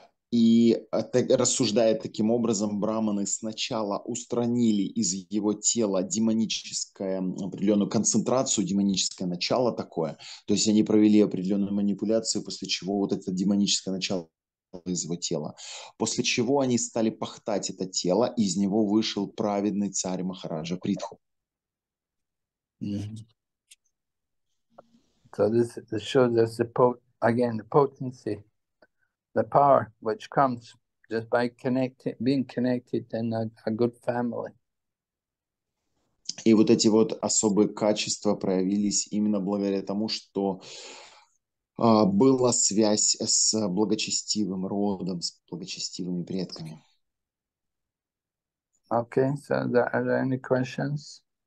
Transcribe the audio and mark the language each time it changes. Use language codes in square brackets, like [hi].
[ru] И рассуждая таким образом, браманы сначала устранили из его тела демоническое, определенную концентрацию, демоническое начало такое, то есть они провели определенную манипуляцию, после чего вот это демоническое начало из его тела, после чего они стали пахтать это тело, и из него вышел праведный царь Махараджа Притху. [en] So this shows us the potency, the power which comes just by being connected in a good family. [ru] И вот эти вот особые качества проявились именно благодаря тому, что была связь с благочестивым родом, с благочестивыми предками. [en] Okay, so are there any questions?